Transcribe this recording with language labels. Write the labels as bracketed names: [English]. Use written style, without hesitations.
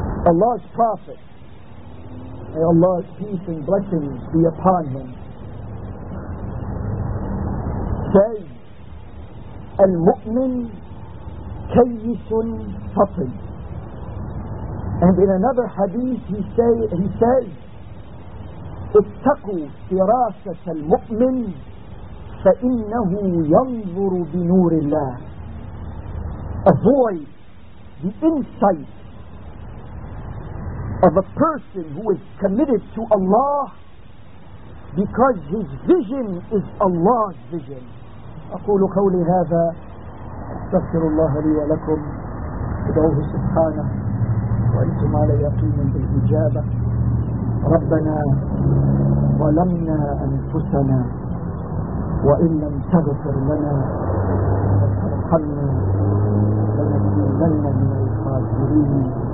[English] Allah's Prophet, may Allah's peace and blessings be upon him, says, [Arabic] Al-Mu'min Kayyisun Fatin. [English] And in another hadith he says, [Arabic] اتقوا فراسة المؤمن فإنه ينظر بنور الله. [English] Avoid the insight of a person who is committed to Allah, because his vision is Allah's vision. [Arabic] أقول قولي هذا. أستغفر الله لي ولكم. أدعوه سبحانه وأنتم على يقين بالإجابة. ربنا ظلمنا أنفسنا وإن لم تغفر لنا وترحمنا لنكونن من الخاسرين.